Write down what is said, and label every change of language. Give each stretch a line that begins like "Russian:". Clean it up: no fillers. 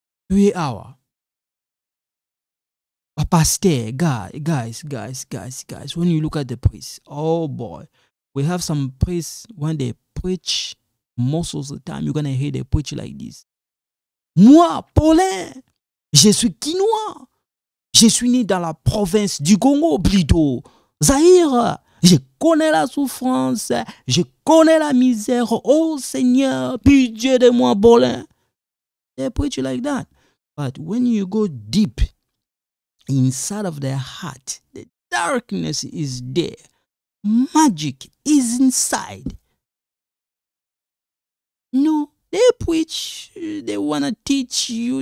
English: 3 hours. A pastor, guys, when you look at the priests, oh boy, we have some priests, when they preach, most of the time you're going to hear them preach like this.
French: Moi, Paulin, je suis Quinois. Je suis né dans la province du Congo, Blido, Zaïre. Je connais la souffrance, je connais la misère. Oh Seigneur, pitié de moi, Paulin.
English: They preach like that. But when you go deep inside of their heart, the darkness is there. Magic is inside. No, they preach. They want to teach you.